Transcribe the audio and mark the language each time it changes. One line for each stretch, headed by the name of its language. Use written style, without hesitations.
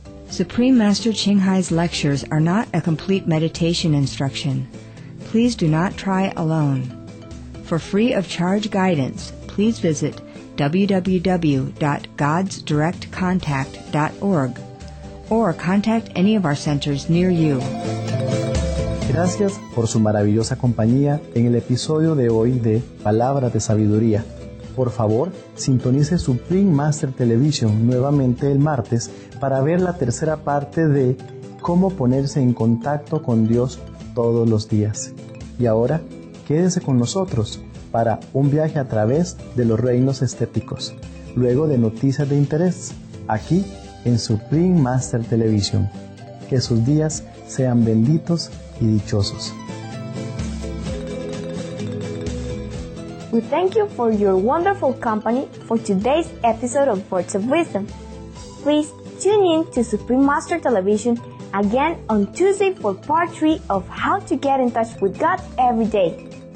English: Supreme Master Ching Hai's lectures are not a complete meditation instruction. Please do not try alone. For free of charge guidance, please visit www.godsdirectcontact.org or contact any of our centers near you.
Spanish: Gracias por su maravillosa compañía en el episodio de hoy de Palabra de Sabiduría. Por favor, sintonice Supreme Master Television nuevamente el martes para ver la tercera parte de Cómo ponerse en contacto con Dios todos los días. Y ahora, quédese con nosotros para un viaje a través de los reinos estéticos, luego de noticias de interés, aquí en Supreme Master Television. Que sus días sean benditos y dichosos.
English: We thank you for your wonderful company for today's episode of Words of Wisdom. Please tune in to Supreme Master Television again on Tuesday for part 3 of How to Get in Touch with God Every Day.